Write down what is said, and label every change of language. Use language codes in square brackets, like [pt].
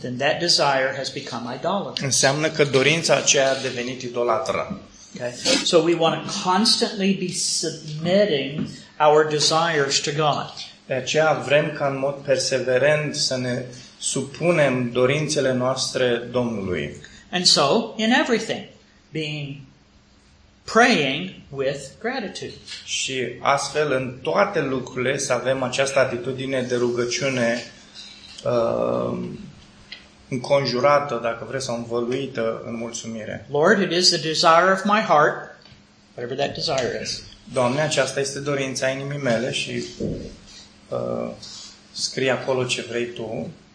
[en] then that desire has become idolatry. [ro] Înseamnă că dorința aceea a devenit idolatră. [en] Okay? So we want to constantly be submitting our desires to God. [ro] De aceea vrem ca în mod perseverent să ne supunem dorințele noastre Domnului. [en] And so, in everything, being praying with gratitude. [ro] Și astfel în toate lucrurile să avem această atitudine de rugăciune înconjurată, dacă vreți, sau învăluită în mulțumire. [en] Lord, it is the desire of my heart, whatever that desire is. [ro] Doamne, aceasta este dorința inimii mele și scrie acolo ce vrei tu.